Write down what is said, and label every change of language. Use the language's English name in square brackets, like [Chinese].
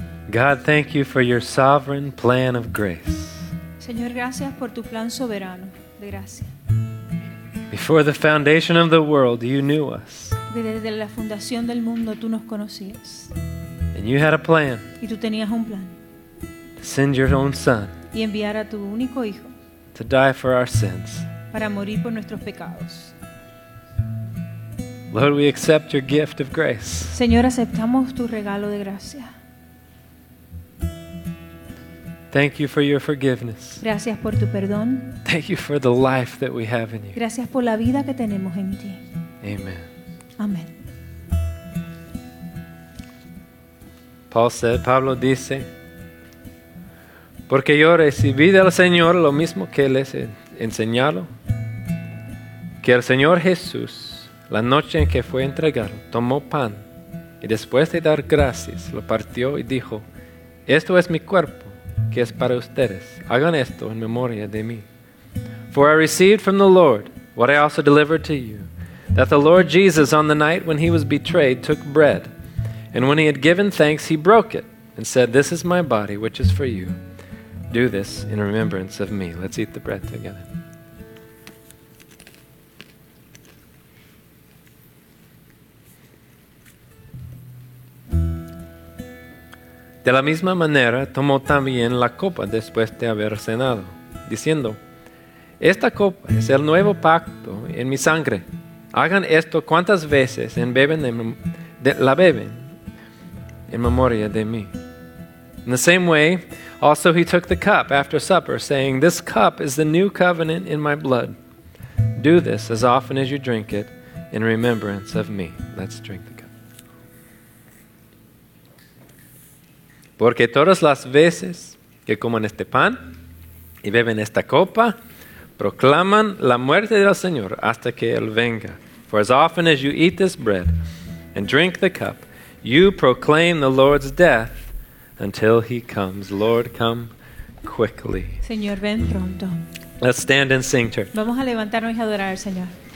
[English] God, thank you for your sovereign plan of grace. [Spanish] Señor, gracias por tu plan soberano de gracia. [English] Before the foundation of the world, you knew us. [Spanish] Desde la fundación del mundo, tú nos conocías. [English] And you had a plan. [Spanish] Y tú tenías un plan. [English] To send your own son. [Spanish] Y enviar a tu único hijo. [English] To die for our sins. [Spanish] Para morir por nuestros pecados. [English] Lord, we accept your gift of grace. [Spanish] Señor, aceptamos tu regalo de gracia. [English] Thank you for your forgiveness. [Spanish] Gracias por tu perdón. [English] Thank you for the life that we have in you. [Spanish] Gracias por la vida que tenemos en ti. [English] Amen. [Spanish] Amen. [English] Paul said, [Spanish] Pablo dice, porque yo recibí del Señor lo mismo que les he enseñado, que el Señor Jesús, la noche en que fue entregado, tomó pan y después de dar gracias, lo partió y dijo, esto es mi cuerpo, que es para ustedes. Hagan esto en memoria de mí. [English] For I received from the Lord what I also delivered to you, that the Lord Jesus, on the night when he was betrayed, took bread, and when he had given thanks, he broke it and said, this is my body, which is for you. Do this in remembrance of me. Let's eat the bread together. [Spanish] De la misma manera, tomó también la copa después de haber cenado, diciendo, esta copa es el nuevo pacto en mi sangre. Hagan esto cuantas veces la beben en memoria de mí. [English] In the same way, also he took the cup after supper, saying, this cup is the new covenant in my blood. Do this as often as you drink it in remembrance of me. Let's drink the cup. [Spanish] Porque todas las veces que comen este pan y beben esta copa, proclaman la muerte del Señor hasta que Él venga. [English] For as often as you eat this bread and drink the cup, you proclaim the Lord's death until He comes. Lord, come quickly. [Spanish] Señor, ven pronto. [English] Let's stand and sing, church. [Spanish] Vamos a levantarnos y adorar al Señor.